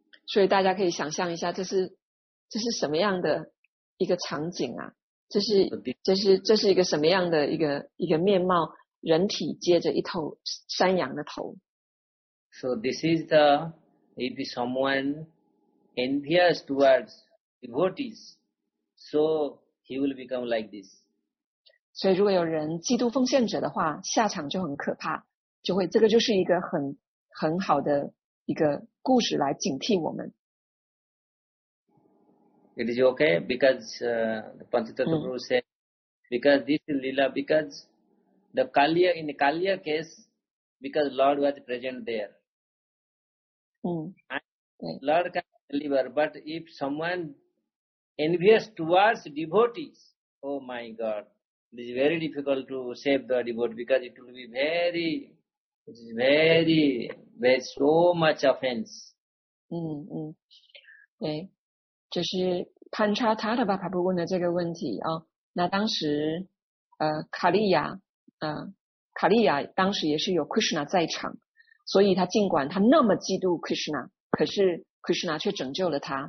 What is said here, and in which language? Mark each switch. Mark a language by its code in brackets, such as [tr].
[zh] 所以大家可以想象一下，这是什么样的一个场景啊？这是一个什么样的一个面貌？人体接着一头山羊的头。 [en] So this is the if someone envious towards devotees, so he will become like this. [zh] 所以如果有人嫉妒奉献者的话，下场就很可怕，就会这个就是一个很好的一个故事来警惕我们。 [en] It is okay because Panchatattva Guru said because this is Lila because. The Kaliya, in the Kaliya case, because Lord was present there. Lord can deliver, but if someone envious towards devotees, oh my God, it is very difficult to save the devotee because it will be very, very so much offense. [zh] 对，就是潘查塔塔巴帕布问的这个问题啊，那当时卡利亚。卡利亚当时也是有 Krishna 在场，所以他尽管他那么嫉妒 Krishna， 可是 Krishna 却拯救了他。